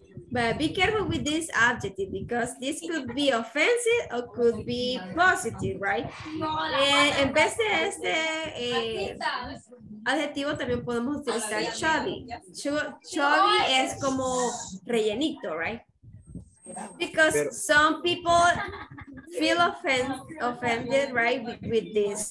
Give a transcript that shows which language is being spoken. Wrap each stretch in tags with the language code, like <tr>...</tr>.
<en>But be careful with this adjective because this could be offensive or could be positive, right?</en> <es>En vez de este adjetivo también podemos utilizar chubby. Chubby es como rellenito, right?</es> <en>Because some people feel offended, right, with this.</en>